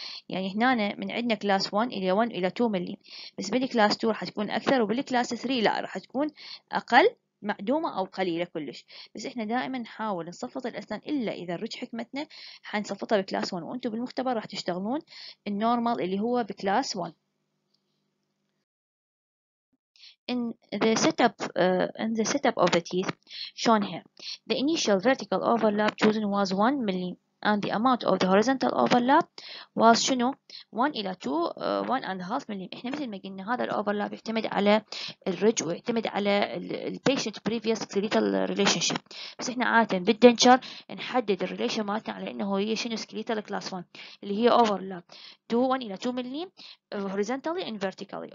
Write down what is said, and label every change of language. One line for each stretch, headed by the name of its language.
Arabic: يعني هنا من عندنا كلاس 1 الى 1 الى 2 ملي، بس بالكلاس 2 راح تكون اكثر وبالكلاس 3 لا راح تكون اقل، معدومه او قليله كلش. بس احنا دائما نحاول نصفط الاسنان الا اذا رج حكمتنا حنصفطها بكلاس 1، وانتم بالمختبر راح تشتغلون النورمال اللي هو بكلاس 1.
English: In the setup of the teeth shown here, the initial vertical overlap chosen was 1 mm and the amount of the horizontal overlap was
Arabic: شنو 1 إلى 2
English: 1.5 mm.
Arabic: إحنا مثل ما قلنا هذا الأوفرلاب يعتمد على الرج ويعتمد على ال
English: patient previous skeletal relationship.
Arabic: بس إحنا عادة بالدنشر نحدد الريليشن مالتنا على إنه هي شنو
English: skeletal class 1
Arabic: اللي هي
English: overlap 1 إلى 2 mm horizontally and vertically.